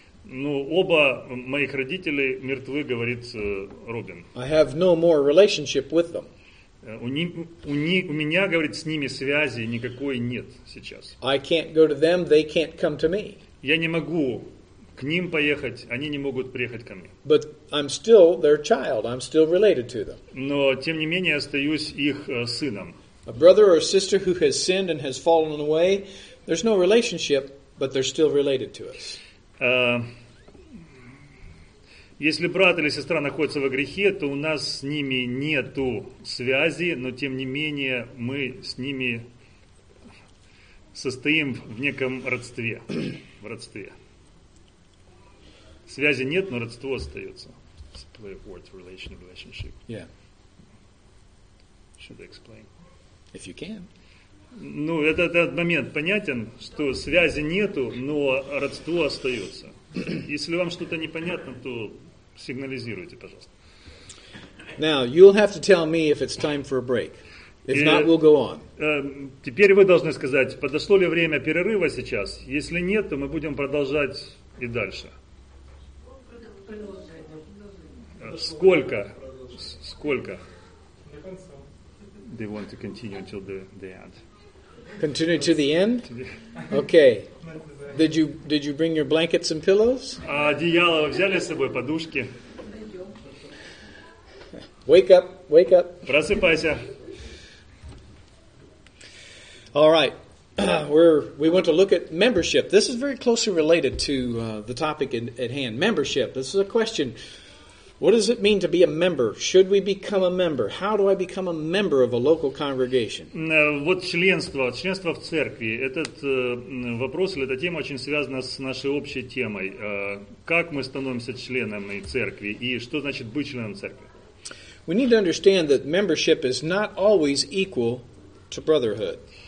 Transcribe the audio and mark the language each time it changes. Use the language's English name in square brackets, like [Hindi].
[Russian] Ну, оба моих родителей мертвы, говорит Робин. [English] I have no more relationship with them. [Russian] У меня, говорит, с ними связи никакой нет сейчас. [English] I can't go to them, they can't come to me. [Russian] Я не могу к ним поехать, они не могут приехать ко мне. [English] But I'm still their child, I'm still related to them. [Russian] Но, тем не менее, остаюсь их сыном. [English] A brother or a sister who has sinned and has fallen away, there's no relationship, but they're still related to us. [Russian] Если брат или сестра находятся во грехе, то у нас с ними нету связи, но тем не менее мы с ними состоим в неком родстве. В родстве. Связи нет, но родство остается. [English] Play a word, relationship. Yeah. Should I explain? If you can. [Russian] Ну, этот момент понятен, что связи нету, но родство остается. Если вам что-то непонятно, то сигнализируйте, пожалуйста. [English] Now, you'll have to tell me if it's time for a break. If not, we'll go on. [Russian] Теперь вы должны сказать, подошло ли время перерыва сейчас. Если нет, то мы будем продолжать и дальше. Сколько? Сколько? [English] They want to continue until the end. Continue to the end? Okay. Did you bring your blankets and pillows? [Russian] Одеяло вы взяли с собой, подушки? [English] Wake up. [Russian] Просыпайся. [English] All right. We want to look at membership. This is very closely related to the topic at hand. Membership. This is a question. What does it mean to be a member? Should we become a member? How do I become a member of a local congregation? [Russian] Вот членство в церкви. Этот вопрос или эта тема очень связана с нашей общей темой. Как мы становимся членами церкви и что значит быть членом церкви? [English] We need to understand that membership is not always equal to brotherhood.